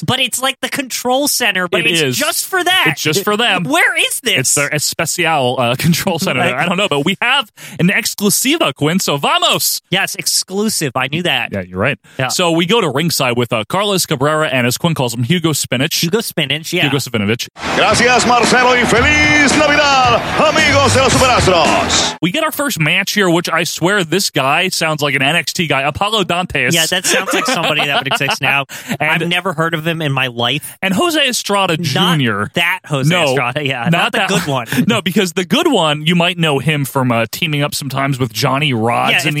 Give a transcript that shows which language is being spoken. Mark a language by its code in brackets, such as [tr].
[en] But it's like the control center, but it's just for that. It's just for them. Where is this? It's their especial control center. Like, I don't know, but we have an exclusiva, Quinn, so vamos! Yes, exclusive. I knew that. Yeah, you're right. Yeah. So we go to ringside with Carlos Cabrera and, as Quinn calls him, Hugo Spinach. Hugo Spinach, yeah. Hugo Savinovich. [es] Gracias, Marcelo, y feliz Navidad, amigos de los Superastros. [en] We get our first match here, which I swear this guy sounds like an NXT guy. Apollo Dantes. Yeah, that sounds like somebody that would exist now. And I've never heard of him in my life. And Jose Estrada Jr. Not the good one. No, because the good one, you might know him from teaming up sometimes with Johnny Rods in the